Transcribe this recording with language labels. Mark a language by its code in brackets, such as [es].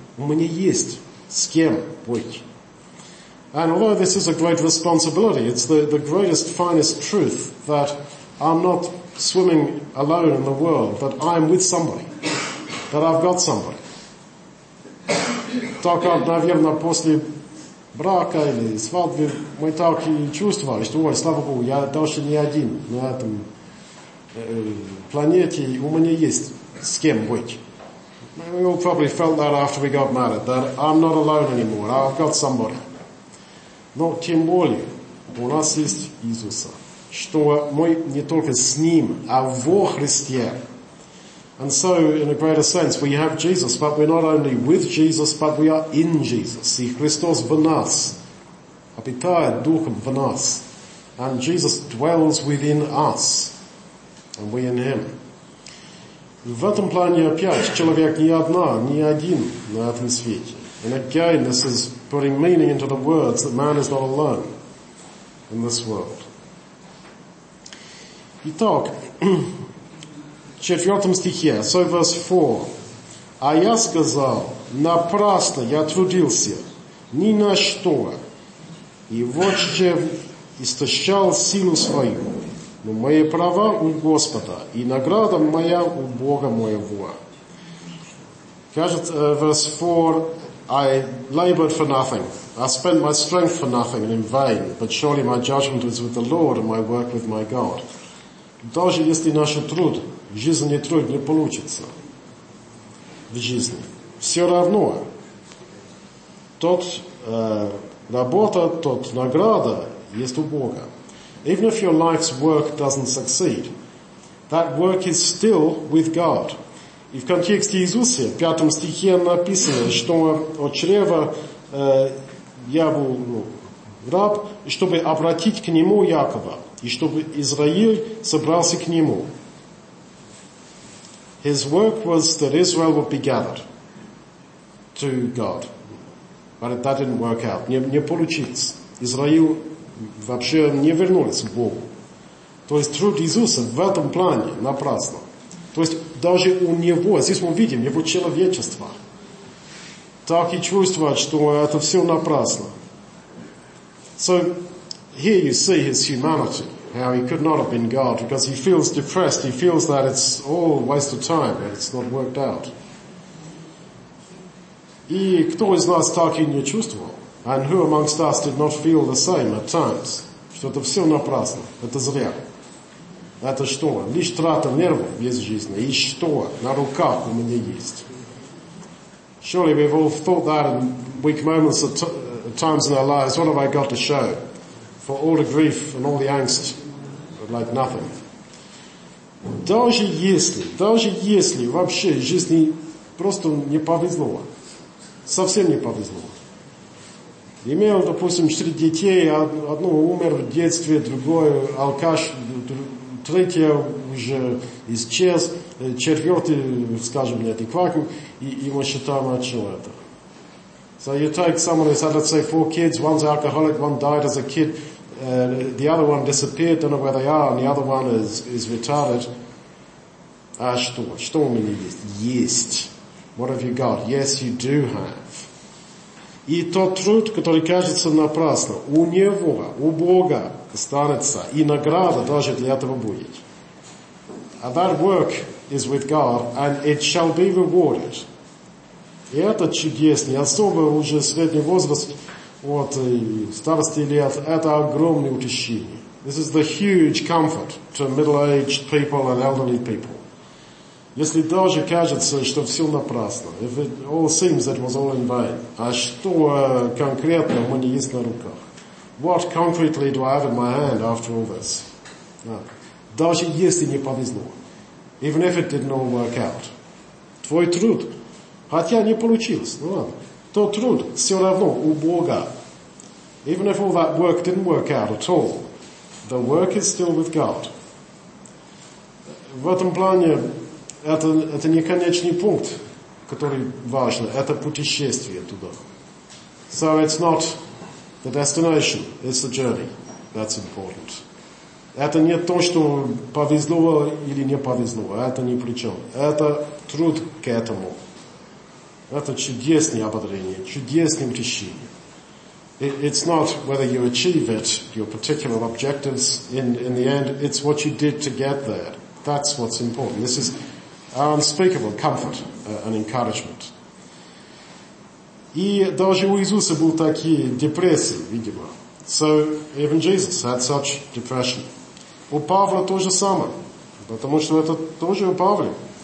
[ru] У меня есть с кем быть. [en] And although this is a great responsibility, it's the greatest, finest truth that I'm not swimming alone in the world, that I'm with somebody, that I've got somebody. [ru] Так, наверное, после брака или свадьбы, мы так и чувствовали, что, ой, слава Богу, я даже не один на этом планете, у меня есть с кем быть. [en] We all probably felt that after we got married, that I'm not alone anymore, I've got somebody. [ru] Но тем более, у нас есть Иисуса, что мы не только с Ним, а во Христе. [en] And so, in a greater sense, we have Jesus, but we're not only with Jesus, but we are in Jesus. [ru] И Христос в нас, обитает Духом в нас. [en] And Jesus dwells within us, and we in Him. [ru] В этом плане опять человек не одна, не один на этом свете. [en] And again, this is putting meaning into the words that man is not alone in this world. [ru] Итак, в четвертом стихе, [en] so verse 4. [ru] А я сказал, напрасно я трудился, ни на что, и вот что истощал силу свою. Но мои права у Господа, и награда моя у Бога моего. Кажется, [en] verse 4. I labored for nothing. I spent my strength for nothing and in vain, but surely my judgment is with the Lord and my work with my God. [ru] Даже если наш труд, жизненный труд не получится в жизни. Все равно тот работа, тот награда есть у Бога. [en] Even if your life's work doesn't succeed, that work is still with God. [ru] И в контексте Иисуса, в пятом стихе написано, что от чрева я был, ну, раб, чтобы обратить к нему Якова, и чтобы Израиль собрался к нему. [en] His work was that Israel would be gathered to God. But that didn't work out. [ru] Не получилось. Израиль вообще не вернулся к Богу. То есть труд Иисуса в этом плане напрасно. То есть даже у него, здесь мы видим его человечество, так и чувствовать, что это все напрасно. [en] So here you see his humanity. How he could not have been God, because he feels depressed, he feels that it's all a waste of time, that it's not worked out. [ru] И кто из нас так и не чувствовал? [en] And who amongst us did not feel the same at times? [ru] Что это все напрасно, это зря. Это что? Лишь трата нервов без жизни. И что на руках у меня есть? [en] Surely we've all thought that in weak moments at times in our lives. What have I got to show? For all the grief and all the angst, but like nothing. [ru] Даже если вообще жизни просто не повезло, совсем не повезло. Имел, допустим, 4 детей, одно умер в детстве, другое алкаш, третье уже исчез, четвертый, скажем, не адекватен, и мы считаем отчего это. [en] So you take someone who's had, let's say, 4 kids, one's an alcoholic, one died as a kid, the other one disappeared, don't know where they are, and the other one is retarded. [ru] А что? Что у меня есть? [en] What have you got? Yes, you do have. [ru] И тот труд, который кажется напрасным, у него, у Бога останется, и награда даже для этого будет. [en] And that work is with God, and it shall be rewarded. [ru] И это чудесный, особо уже средний возраст, вот, старости лет, это огромное утешение. [en] This is the huge comfort to middle-aged people and elderly people. [ru] Если даже кажется, что все напрасно, [en] if it all seems that it was all in vain, [ru] а что конкретно у меня есть на руках? [en] What concretely do I have in my hand after all this? [ru] Даже если не повезло, [en] even if it didn't all work out, [ru] твой труд, хотя не получилось, ну ладно, то труд все равно у Бога. [en] Even if all that work didn't work out at all, the work is still with God. [ru] В этом плане это не конечный пункт, который важен. Это путешествие туда. [en] So it's not the destination, it's the journey. That's important. [ru] Это не то, что повезло или не повезло. Это ни при чем. Это труд к этому. Это чудесное ободрение, чудесное утешение. [en] It's not whether you achieve it, your particular objectives in the end. It's what you did to get there. That's what's important. This is unspeakable comfort and encouragement. [ru] И даже у Иисуса был такие депрессии, видимо. [en] So even Jesus had such depression. [ru] У Павла то же самое, потому что это тоже у Павла.